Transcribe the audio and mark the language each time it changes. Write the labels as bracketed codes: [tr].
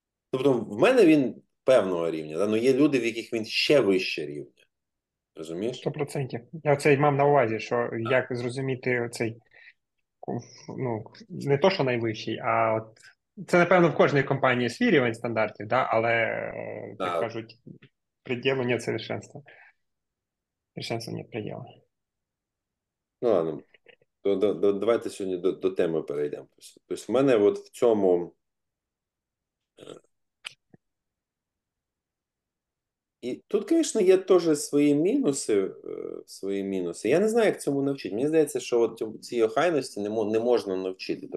[uk] Тобто, в мене він. Певного рівня, да? Ну, є люди, в яких він ще вище рівня. Розумієш? 100%. Я оце й мав на увазі, що як зрозуміти цей, ну, не то, що найвищий, а от це, напевно, в кожній компанії свій рівень стандартів, да? Але, як Да. кажуть, [ru] пределу нет совершенства. Совершенства нет предела. Ну, ладно. [uk] Давайте сьогодні до теми перейдемо. Тобто, в мене от в цьому. І тут, звісно, є теж свої мінуси. Я не знаю, як цьому навчити. Мені здається, що от цій охайності не можна навчити.